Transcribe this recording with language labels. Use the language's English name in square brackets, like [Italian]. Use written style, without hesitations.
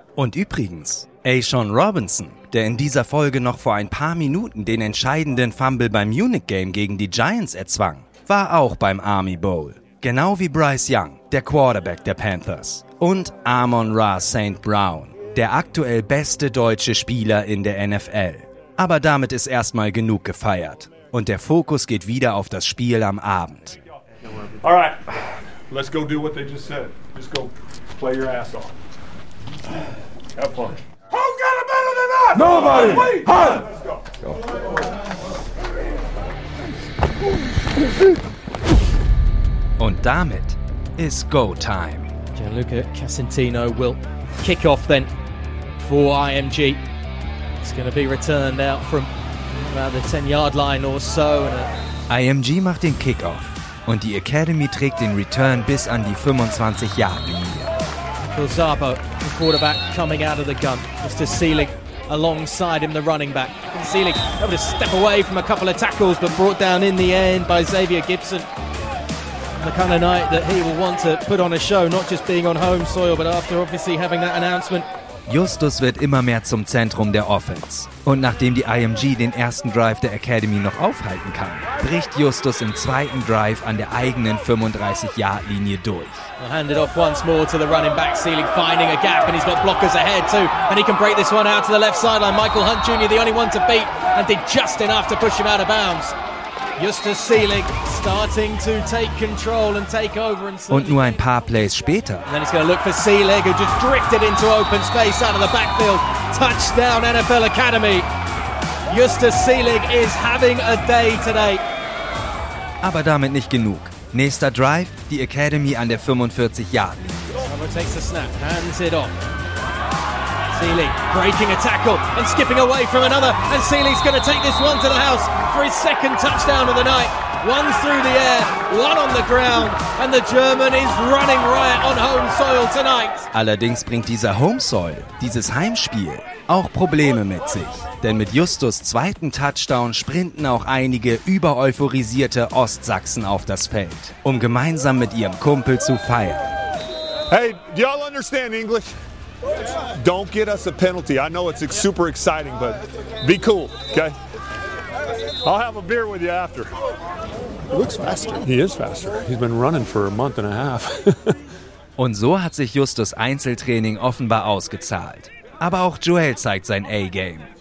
[German] Und übrigens, A'shaun Robinson, der in dieser Folge noch vor ein paar Minuten den entscheidenden Fumble beim Munich Game gegen die Giants erzwang, war auch beim Army Bowl. Genau wie Bryce Young, der Quarterback der Panthers. Und Amon-Ra St. Brown, der aktuell beste deutsche Spieler in der NFL. Aber damit ist erstmal genug gefeiert. Und der Fokus geht wieder auf das Spiel am Abend. [English] All right, let's go do what they just said. Just go play your ass off. Have fun. Who's got it better than us? Nobody! Wait! Huh? Let's go. [German] Und damit ist Go Time. [English] Gianluca Casentino will kick off then for IMG. It's going to be returned out from about the 10-yard line or so. [German] IMG macht den Kickoff und die Academy trägt den Return bis an die 25-Yard-Linie. [English] Kulzabo, the quarterback, coming out of the gun. Mr. Seelig alongside him, the running back. Seelig able to step away from a couple of tackles, but brought down in the end by Xavier Gibson. The kind of night that he will want to put on a show, not just being on home soil, but after obviously having that announcement. [German] Justus wird immer mehr zum Zentrum der Offense. Und nachdem die IMG den ersten Drive der Academy noch aufhalten kann, bricht Justus im zweiten Drive an der eigenen 35-Yard-Linie durch. [English] Handed off once more to the running back, Ceiling finding a gap, and he's got blockers ahead too, and he can break this one out to the left sideline. Michael Hunt Jr., the only one to beat, and did just enough to push him out of bounds. Justus Seelig starting to take control and take over. [German] Und nur ein paar Plays später. [English] And then he's going to look for Seelig, who just drifted into open space out of the backfield. Touchdown NFL Academy. Justus Seelig is having a day today. [German] Aber damit nicht genug. Nächster Drive, die Academy an der 45-Yard-Linie. [English] Samuel takes the snap, hands it off. Seelig breaking a tackle and skipping away from another, and Seelig's going to take this one to the house for his second touchdown of the night. One through the air, one on the ground, and the German is running riot on home soil tonight. [German] Allerdings bringt dieser [English] home soil, [German] dieses Heimspiel, auch Probleme mit sich. Denn mit Justus' zweiten Touchdown sprinten auch einige übereuphorisierte Ostsachsen auf das Feld, um gemeinsam mit ihrem Kumpel zu feiern. [English] Hey, do y'all understand English? Don't get us a penalty. I know it's super exciting, but be cool, okay? I'll have a beer with you after. He looks faster. He is faster. He's been running for a month and a half. [German] Und so hat sich Justus Einzeltraining offenbar ausgezahlt. Aber auch Joel zeigt sein A-Game.